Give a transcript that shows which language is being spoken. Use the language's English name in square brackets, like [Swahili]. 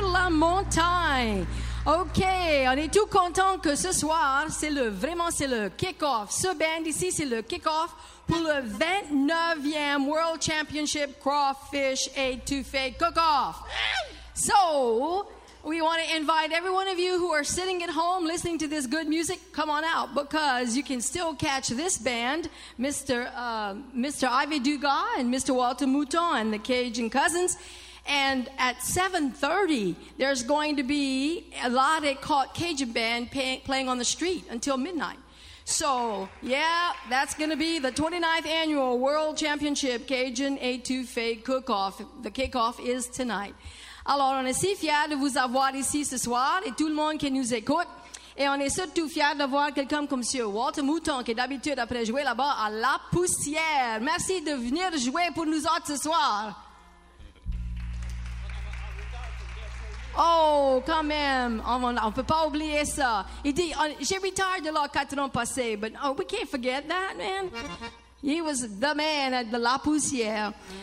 [French] Montagne. OK, on est tout content que ce soir, c'est le kick-off. Ce band ici, c'est le kick-off pour le 29e World Championship Crawfish et Tuffet Cook-Off. [English] So, we want to invite every one of you who are sitting at home listening to this good music, come on out, because you can still catch this band, Mr. Ivy Dugas and Mr. Walter Mouton and the Cajun Cousins. And at 7:30, there's going to be a lot of caught Cajun band playing on the street until midnight. So, yeah, that's going to be the 29th annual World Championship Cajun Etouffee Cook-Off. The kick-off is tonight. [French] Alors, on est si fiers de vous avoir ici ce soir et tout le monde qui nous écoute. Et on est surtout fiers de voir quelqu'un comme Monsieur Walter Mouton qui est d'habitude après jouer là-bas à La Poussière. Merci de venir jouer pour nous autres ce soir. Oh, quand même, on ne peut pas oublier ça. Il dit, j'ai retard de là 4 ans passés, [English] but oh, we can't forget that, man. He was the man at the La Poussière.